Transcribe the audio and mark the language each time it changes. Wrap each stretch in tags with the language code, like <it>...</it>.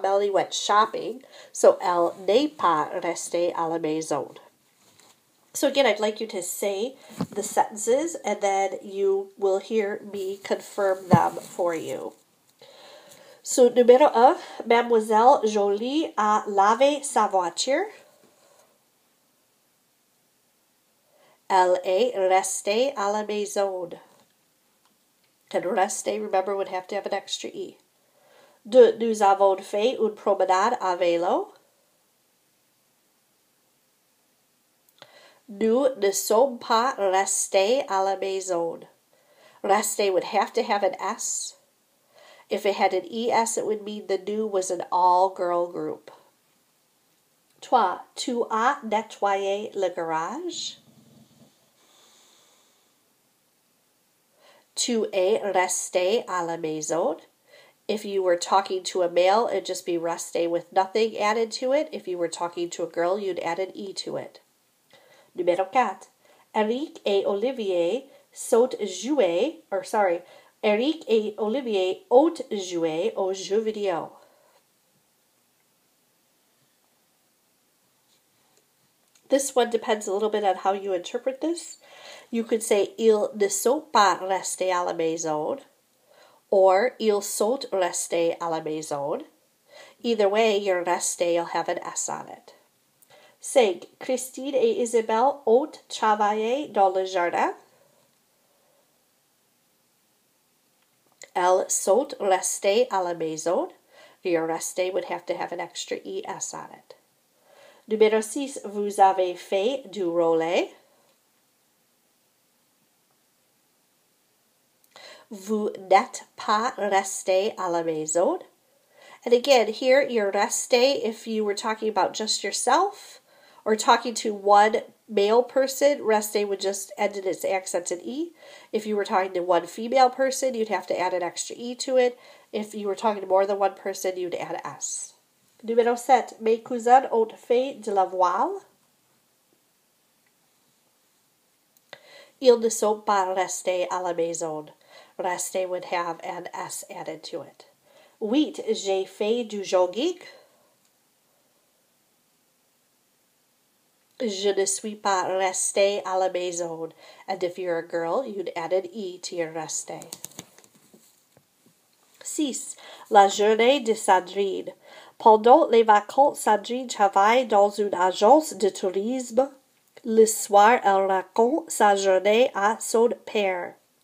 <en>Melanie went shopping, so</en> <fr>elle n'est pas restée à la maison.</fr> <en>So again, I'd like you to say the sentences and then you will hear me confirm them for you.</en> <fr>So numéro un, Mademoiselle Jolie a lavé sa voiture. Elle est restée à la maison.</fr> <en>And restée, remember, would have to have an extra E.</en> <fr>Deux, nous avons fait une promenade à vélo. Nous ne sommes pas restés à la maison.</fr> <en>Resté would have to have an S. If it had an ES, it would mean the nous was an all-girl group.</en> <fr>Toi, tu as nettoyé le garage? Tu es resté à la maison.</fr> <en>If you were talking to a male, it'd just be resté with nothing added to it. If you were talking to a girl, you'd add an E to it.</en> <fr>Numéro 4. Eric et Olivier sont joués,</fr> <en>or sorry,</en> <fr>Eric et Olivier ont joué au jeu vidéo.</fr> <en>This one depends a little bit on how you interpret this. You could say,</en> <fr>ils ne sont pas restés à la maison,</fr> <en>or</en> <fr>ils sont restés à la maison.</fr> <en>Either way, your resté will have an S on it. 5.</en> <fr>Christine et Isabelle ont travaillé dans le jardin. Elles sont restées à la maison.</fr> <en>Your resté would have to have an extra ES on it.</en> <fr>Numéro 6, vous avez fait du roller. Vous n'êtes pas resté à la maison.</fr> <en>And again, here, your resté, if you were talking about just yourself or talking to one male person, resté would just end in its accented E. If you were talking to one female person, you'd have to add an extra E to it. If you were talking to more than one person, you'd add an S.</en> <fr>Numéro 7. Mes cousins ont fait de la voile. Ils ne sont pas restés à la maison.</fr> <en>Resté would have an S added to it.</en> <fr>8. J'ai fait du jogging. Je ne suis pas resté à la maison.</fr> <en>And if you're a girl, you'd add an E to your resté.</en> <fr>6. La journée de Sandrine. Pendant les vacances, Sandrine travaille dans une agence de tourisme. Le soir, elle raconte sa journée à son père.</fr>